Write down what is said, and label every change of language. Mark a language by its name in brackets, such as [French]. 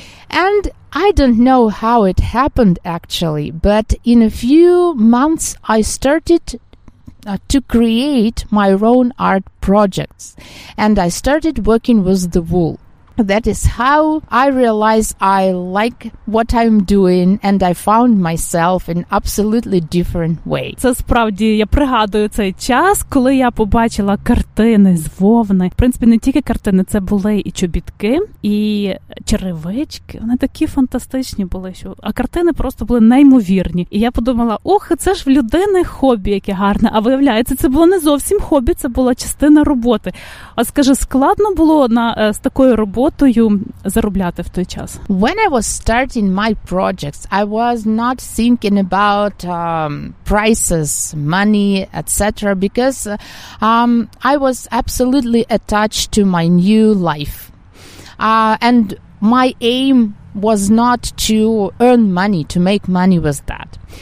[English] And I don't know how it happened actually, but in a few months I started to create my own art projects. And I started working with the wool. That is how I realized I like what I'm doing and I found myself in absolutely different way. [Ukrainian] Це справді, я пригадую цей час, коли я побачила картини з вовни. В принципі, не тільки картини, це були і чобітки, і черевички. Вони такі фантастичні були, що а картини просто були неймовірні. І я подумала, ох, це ж в людини хобі, яке гарне. А виявляється, це було не зовсім хобі, це була частина роботи. А скажи, складно було з такою роботою? [English] When I was starting my projects, I was not thinking about prices, money, etc. because I was absolutely attached to my new life. And my aim was not to earn money, to make money with that.